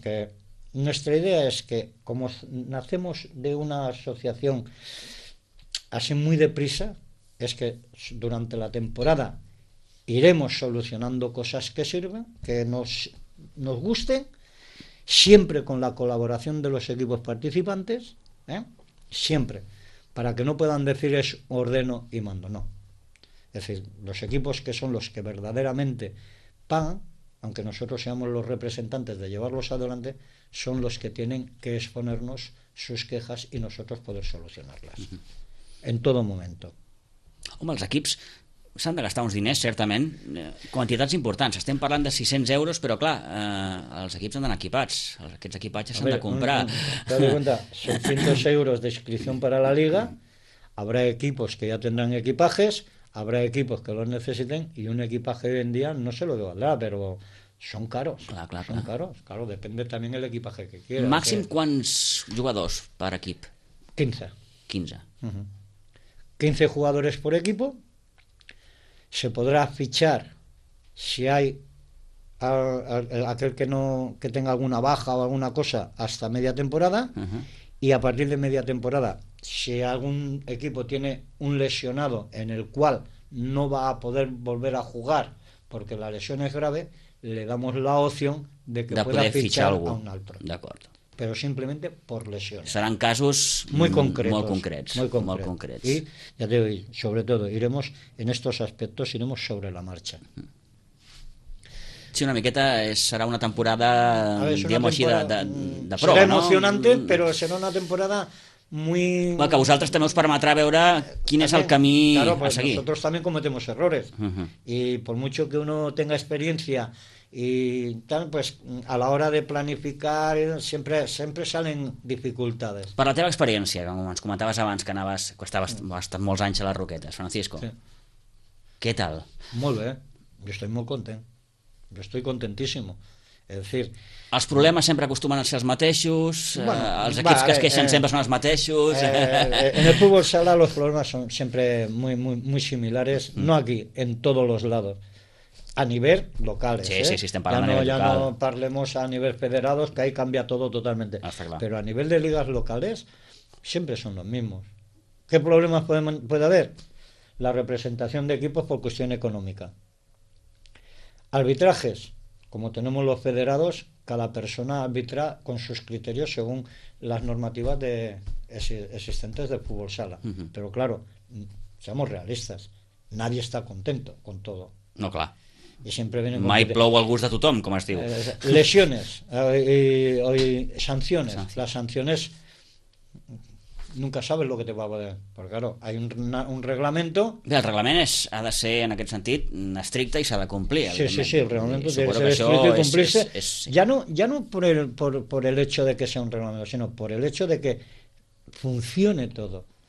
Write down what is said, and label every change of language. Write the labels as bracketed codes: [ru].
[es] Que nuestra idea es que, como nacemos de una asociación así muy deprisa, es que durante la temporada iremos solucionando cosas que sirven, que nos gusten, siempre con la colaboración de los equipos participantes, siempre, para que no puedan decir es ordeno y mando, no. Es decir, los equipos que son los que verdaderamente pagan, aunque nosotros seamos los representantes de llevarlos adelante, son los que tienen que exponernos sus quejas y nosotros poder solucionarlas en todo momento. [ca] Home, els equips s'han de gastar uns diners, certament, quantitats importants. Estem parlant de 600 euros, però clar, els equips han d'anar equipats. Aquests equipatges s'han de comprar. Són 500 euros d'inscripció per a la Liga, [es] habrá equipos que ya tendrán equipajes, habrá equipos que los necessiten, y un equipaje hoy en día no se lo devaldrá, pero son caros. [ca] Clar, clar, [es] son caros. Claro, depende también el equipaje que quieras. [ca] Màxim quants jugadors per equip? 15. 15. [es] 15 jugadores por equipo, se podrá fichar si hay aquel que tenga alguna baja o alguna cosa hasta media temporada, y a partir de media temporada, si algún equipo tiene un lesionado en el cual no va a poder volver a jugar porque la lesión es grave, le damos la opción de que pueda fichar [ca] algú [es] a un otro. De acuerdo. Pero simplemente por lesiones. Serán casos muy concretos. Muy concretos. Muy concretos. Muy concretos. Y ya te digo, sobre todo, iremos en estos aspectos, iremos sobre la marcha. [ca] Sí, una miqueta serà una temporada, diguem-ho així, de prova, no? Serà emocionante, però serà una temporada muy... Bé, que vosaltres també us permetrà veure quin és el camí a seguir. [es] Claro, nosotros también cometemos errores. Uh-huh. Y por mucho que uno tenga experiencia y tal, pues a la hora de planificar siempre salen dificultades. [ca] Per la teva experiència, com ens comentaves abans, que anaves, que estaves, has estat molts anys a les Roquetes, Francisco. Sí. Què tal? Molt bé, jo estic molt content. [es] Yo estoy contentísimo. Es decir, [ca] els problemes sempre acostumen a ser els mateixos, bueno, els equips que es queixen sempre són els mateixos. [es] En el fútbol sala los problemas son siempre muy muy muy similares, no aquí, en todos los lados. A nivel local, sí, ¿eh? [ca] Sí, sí, estem parlant [es] ya no, [ca] a nivell local. [es] Ya no parlemos a nivel federados, que ahí cambia todo totalmente. Pero a nivel de ligas locales siempre son los mismos. ¿Qué problemas puede haber? La representación de equipos por cuestión económica. Arbitrajes, como tenemos los federados, cada persona arbitra con sus criterios según las normativas de existentes del fútbol sala. Uh-huh. Pero claro, seamos realistas, nadie está contento con todo. No, claro. Y siempre viene [ca] mai plou al gust de tothom, com es diu. [es] Lesiones y sanciones. Las sanciones, nunca sabes lo que te va a poder, porque claro, hay un reglamento. [ca] Bé, el reglament és, ha de ser, en aquest sentit, estricte i s'ha de complir. Sí, sí, sí, el reglament ha de ser estricte i complir-se. Sí. [es] Ya no por el hecho de que sea un reglamento, sino por el hecho de que funcione todo.